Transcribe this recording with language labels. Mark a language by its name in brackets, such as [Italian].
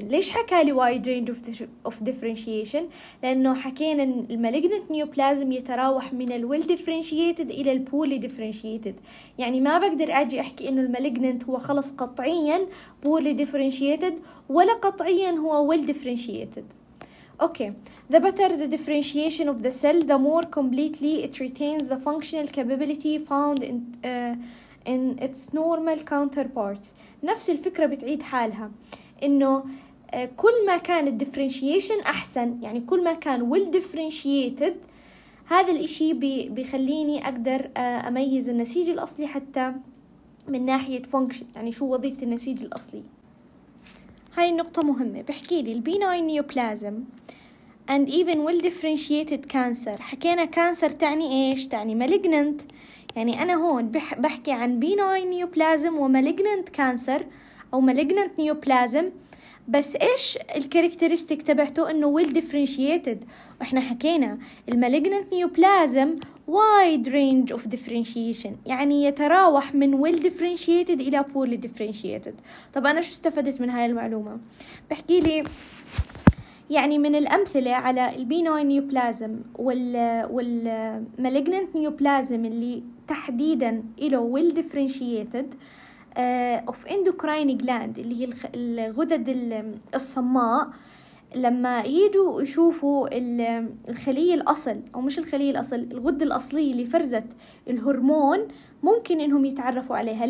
[Arabic] ليش حكالي [English] Wide range of differentiation? [Arabic] لانه حكينا ان المالجنانت نيوبلازم يتراوح من الويل ديفرنشيتد الى البولي ديفرنشيتد. يعني ما بقدر اجي احكي انه المالجنانت هو خلص قطعيا بولي ديفرنشيتد ولا قطعيا هو ويل ديفرنشيتد. [English] Okay, the better the differentiation of the cell, the more completely it retains the functional capability found in its normal counterparts. [Arabic] نفس الفكرة بتعيد حالها، إنه كل ما كان differentiation أحسن، يعني كل ما كان well differentiated، هذا الإشي بيخليني أقدر أميز النسيج الأصلي حتى من ناحية function، يعني شو وظيفة النسيج الأصلي. هاي النقطة مهمة، بحكي لي البينوين نيوبلازم [English] and even well differentiated cancer. [Arabic] حكينا cancer تعني ايش؟ تعني malignant. يعني انا هون بحكي عن benign neoplasm و malignant cancer او malignant neoplasm، بس ايش الكاركترستيك تبعته؟ انه well differentiated. واحنا حكينا [English] malignant neoplasm wide range of differentiation، [Arabic] يعني يتراوح من well differentiated الى poorly differentiated. طب انا شو استفدت من هاي المعلومة؟ بحكي لي يعني من الأمثلة على البينوين نيوبلازم والمالجننت نيوبلازم اللي تحديداً إله [English] well differentiated of endocrine gland, [Arabic] اللي هي الغدد الصماء، لما يجوا يشوفوا الخلية الأصل أو مش الخلية الأصل، الغدة الأصلية اللي فرزت الهرمون، ممكن إنهم يتعرفوا عليها.